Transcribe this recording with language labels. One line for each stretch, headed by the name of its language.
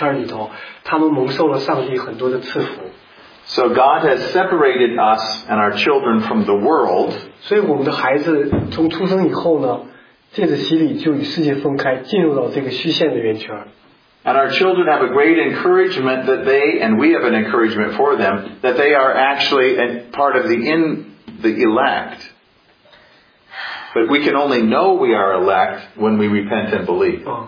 Chinese: 所以我们的孩子出生以后呢，就直接进入了这个虚线的这个大圈里头，他们蒙受了上帝很多的赐福。
English: So God has separated us and our children from the world.
Chinese: 所以我们的孩子从出生以后呢，借着洗礼就与世界分开，进入到这个虚线的圆圈。
English: And our children have a great encouragement that they, and we have an encouragement for them, that they are actually a part of the elect. But we can only know we are elect when we repent and believe.